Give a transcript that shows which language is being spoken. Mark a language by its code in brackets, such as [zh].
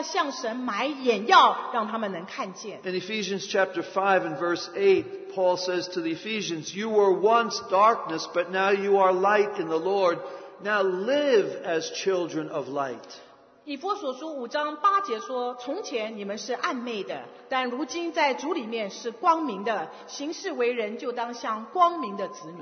[zh] 昨天晚上史蒂翁讲到老底家教会，就讲了他们的眼睛是瞎眼的，他们看不见，所以他们需要向神买眼药，让他们能看见。 [en] In Ephesians chapter 5 and verse 8, Paul says to the Ephesians, "You were once darkness, but now you are light in the Lord. Now live as children of light." [zh] 以弗所书5章8节说，从前你们是暗昧的，但如今在主里面是光明的，行事为人就当像光明的子女。